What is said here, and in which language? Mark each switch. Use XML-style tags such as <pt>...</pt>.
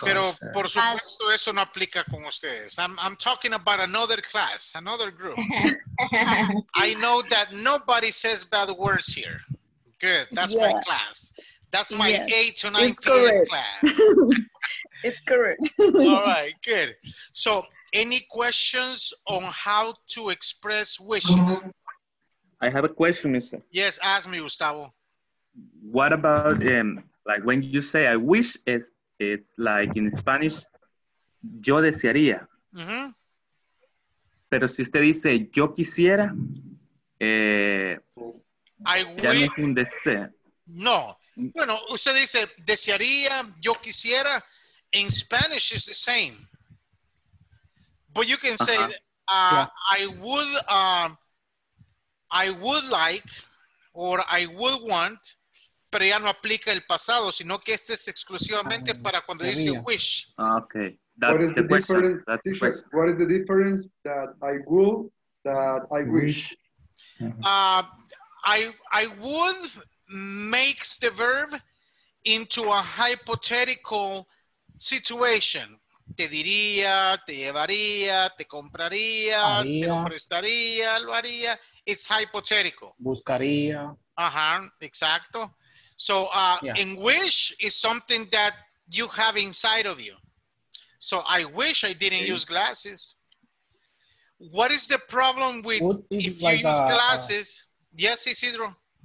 <es>Pero por supuesto eso no aplica con ustedes.</es> <en>I'm talking about another class, another group. I know that nobody says bad words here. Good. That's my class. That's my 8 to 9 p.m. class. It's correct. All right, good. So any questions on how to express wishes? I have a question, mister. Yes, ask me, Gustavo. What about like when you say I wish, it's like in Spanish,</en> <es>yo desearía.</es> <en>Mm-hmm.</en> <es>Pero si usted dice yo quisiera,</es> <en>I wish.</en> <es>No es un deseo. No. Bueno, usted dice desearía, yo quisiera.</es> <en>In Spanish, it's the same. But you can say, I would like, or I would want.</en> <es>Pero ya no aplica el pasado, sino que este es exclusivamente para cuando dice wish.</es> <en>Okay, that's the question. That's the question. What is the difference that I will, that I wish? I would makes the verb into a hypothetical situation.</en> <es>Te diría, te llevaría, te compraría, te lo prestaría, lo haría.</es> <en>It's hypothetical.</en> <es>Buscaría. Uh-huh, exacto.</es> <en>So in wish is something that you have inside of you. So I wish I didn't use glasses. What is the problem with if you use glasses? Yes, Isidro.</en>